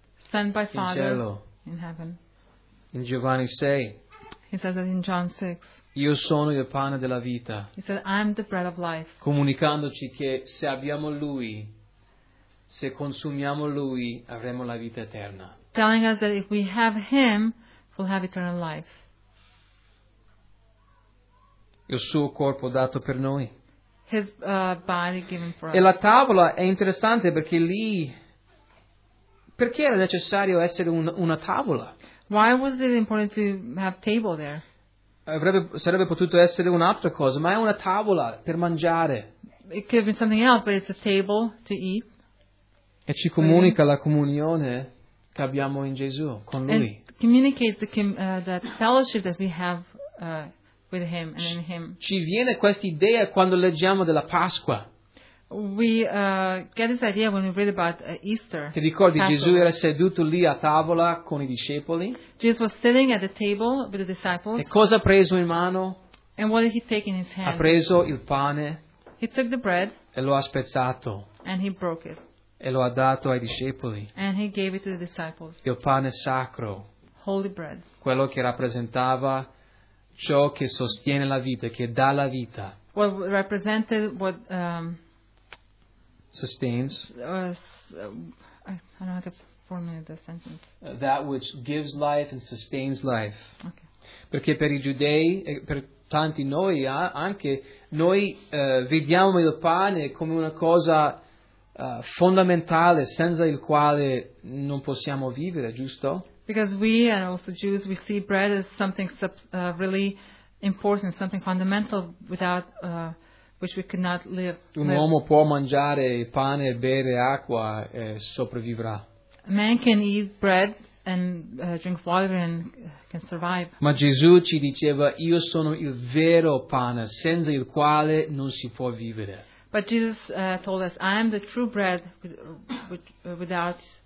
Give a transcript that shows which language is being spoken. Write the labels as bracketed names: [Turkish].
[English] Sent by in Father [Italian] cielo. [English] In heaven. [Italian] In Giovanni 6. [English] He says that in John 6. [Italian] Io sono il pane della vita. [English] He said, I am the bread of life. [Italian] Comunicandoci che se abbiamo Lui, se consumiamo Lui, avremo la vita eterna. [English] Telling us that if we have Him, we'll have eternal life. [Italian] Il suo corpo dato per noi. [English] His body given for us. [Italian] E la tavola è interessante perché lì, perché era necessario essere una tavola? [English] Why was it important to have table there? [Italian] Sarebbe potuto essere un'altra cosa, ma è una tavola per mangiare. [English] It could have been something else, but it's a table to eat. [Italian] E ci comunica la comunione che abbiamo in Gesù, con Lui. [English] And communicates the fellowship that we have with Him and in Him. [Italian] Ci viene questa idea quando leggiamo della Pasqua. [English] We get this idea when we read about Easter. [Italian] Ti ricordi Gesù era seduto lì a tavola con i discepoli? [English] Jesus was sitting at the table with the disciples. [Italian] E cosa ha preso in mano? [English] And what did he take in his hand? [Italian] Ha preso il pane. [English] He took the bread. [Italian] E lo ha spezzato. [English] And he broke it. [Italian] E lo ha dato ai discepoli. [English] And he gave it to the disciples. [Italian] Il pane sacro. [English] Holy bread. [Italian] Quello che rappresentava ciò che sostiene la vita, che dà la vita. [English] What represented what sustains. I don't know how to formulate the sentence. That which gives life and sustains life. Okay. [Italian] Perché per i giudei e per tanti noi anche noi vediamo il pane come una cosa fondamentale senza il quale non possiamo vivere, giusto? [English] Because we and also Jews we see bread as something really important, something fundamental without which we could not live. [Italian] Un uomo può mangiare pane, bere acqua e sopravvivrà. [English] A man can eat bread and drink water and can survive. [Italian] Ma Gesù ci diceva, io sono il vero pane, senza il quale non si può vivere. [English] But Jesus told us, I am the true bread without